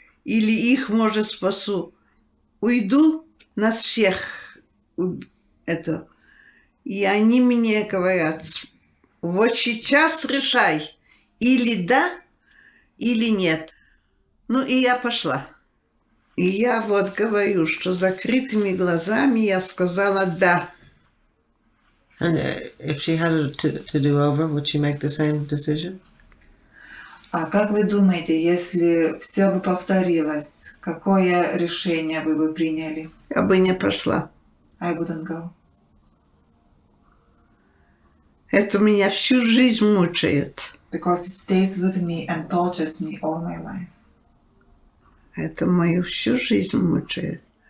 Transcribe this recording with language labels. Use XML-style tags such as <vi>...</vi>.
<ru>Или их, может, спасу. Уйду, нас всех это... И они мне говорят: Вот сейчас решай, или да, или нет. Ну и я пошла. И я вот говорю, что закрытыми глазами я сказала да.</ru> <en>And if she had it to do over, would she make the same decision?</en> <ru>А как вы думаете, если все бы повторилось, какое решение вы бы приняли? Я бы не пошла.</ru> <en>I wouldn't go.</en> <ru>Это меня всю жизнь мучает.</ru> <en>Because it stays with me and tortures me all my life.</en> <ru>Это мою всю жизнь мучает.</ru>